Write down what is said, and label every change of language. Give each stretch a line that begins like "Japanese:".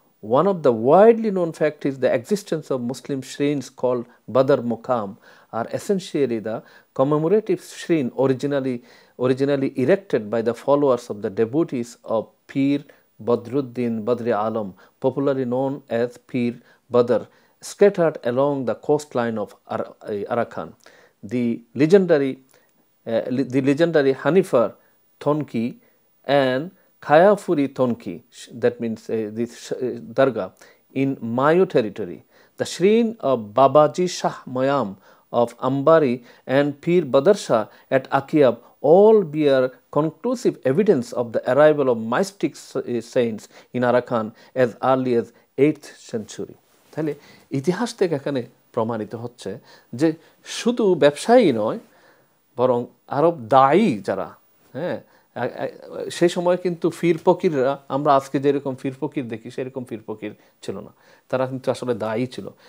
English: One of the widely known fact is the existence of Muslim shrines call Badar Mokam are essentially the commemorative shrine originally erected by the followers of the devotees of Pir Badruddin Badri Alam, popularly known as Pir Badar, scattered along the coastline of Arakan. The legendary Hanifar Thonki and Khayafuri Thonki, that means this Darga, in Mayo territory. The shrine of Babaji Shah Mayam of Ambari and Pir Badar Shah at Akiab all bear conclusive evidence of the arrival of mystic saints in Arakan as early as 8th century.
Bangla: তাহলে ইতিহাস থেকে এখানে প্রমাণিত হচ্ছে যে শুধু ব্যবসায়ী নয়, বরং আরব দায়ী যারা, হ্যাঁ, সেই সময় কিন্তু ফিরফকিররা, আমরা আজকে যেরকম ফিরফকির দেখি সেরকম ফিরফকির ছিল না, তারা কিন্তু আসলে দায়ী ছিল।